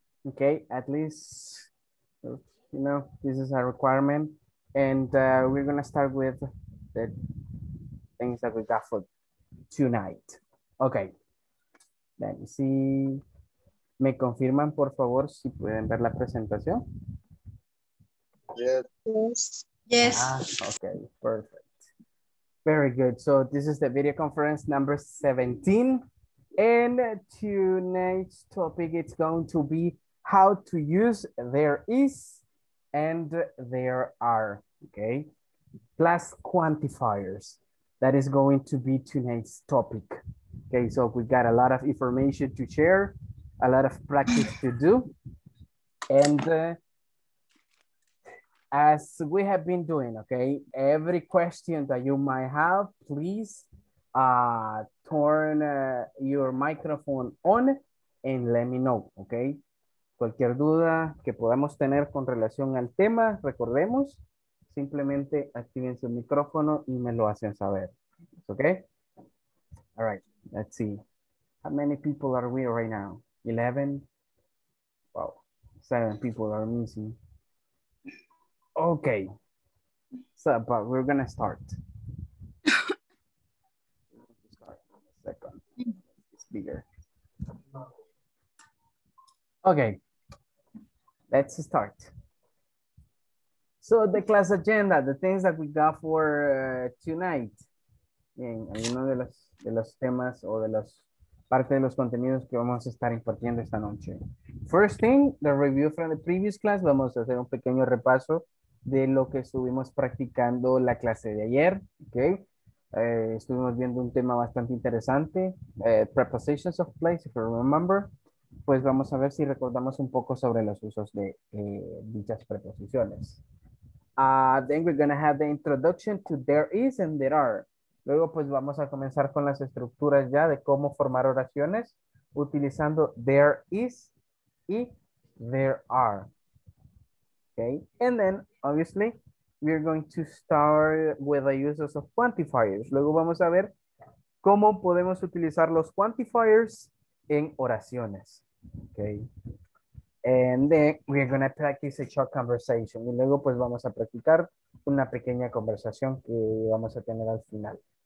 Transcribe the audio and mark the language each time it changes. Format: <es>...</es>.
<en>Okay, at least, you know, this is a requirement. And we're going to start with the things that we got for tonight. Okay, let me see.</en> <es>¿Me confirman, por favor, si pueden ver la presentación?</es> <en>Yes. Yes. Ah, okay, perfect. Very good. So this is the video conference number 17. And tonight's topic is going to be how to use there is and there are, okay? Plus quantifiers. That is going to be tonight's topic. Okay, so we got a lot of information to share, a lot of practice to do. And as we have been doing, okay, every question that you might have, please turn your microphone on and let me know, okay?</en> <es>Cualquier duda que podamos tener con relación al tema, recordemos, simplemente activen su micrófono y me lo hacen saber.</es> <en>Okay? All right, let's see. How many people are we right now? 11? Wow, 7 people are missing. Okay, so, but we're gonna start. Start in a second, it's bigger. Okay. Let's start. So the class agenda, the things that we got for tonight.</en> <es>Bien, alguno de los temas o de las parte de los contenidos que vamos a estar impartiendo esta noche.</es> <en>First thing, the review from the previous class.</en> <es>Vamos a hacer un pequeño repaso de lo que estuvimos practicando la clase de ayer. Okay. Estuvimos viendo un tema bastante interesante.</es> <en>Prepositions of place, if you remember.</en> <es>Pues vamos a ver si recordamos un poco sobre los usos de dichas preposiciones.</es> <en>Then we're going to have the introduction to there is and there are.</en> <es>Luego pues vamos a comenzar con las estructuras ya de cómo formar oraciones utilizando there is y there are. Okay.</es> <en>And then obviously we're going to start with the uses of quantifiers.</en> <es>Luego vamos a ver cómo podemos utilizar los quantifiers en oraciones.</es> <en>Okay, and then we're going to practice a short conversation.</en> <es>Y luego pues vamos a practicar una pequeña conversación que vamos a tener al final.</es>